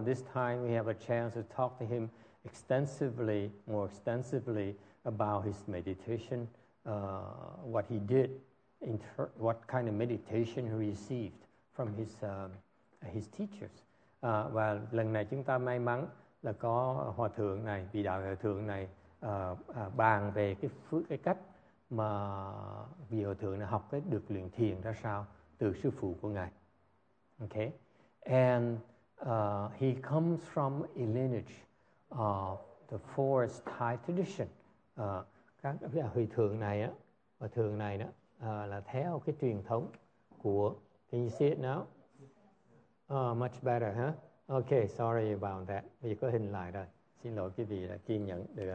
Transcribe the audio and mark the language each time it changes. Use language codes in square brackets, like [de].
[en] This time we have a chance to talk to him extensively, more extensively about his meditation, what he did, what kind of meditation he received from his teachers. [vi] Và lần này chúng ta may mắn là có hòa thượng này, vị đạo hòa thượng này bàn về cái cách mà vị hòa thượng này học cái được luyện thiền ra sao từ sư phụ của ngài. [en] Okay, and he comes from a lineage of the forest Thai tradition. [vi] Các vị hòa thượng này á, hòa thượng này đó là theo cái truyền thống của. [en] Can you see it now? Oh, much better, huh? Okay, sorry about that. [vi] Bây giờ có hình lại rồi. Xin lỗi quý vị đã kiên nhẫn.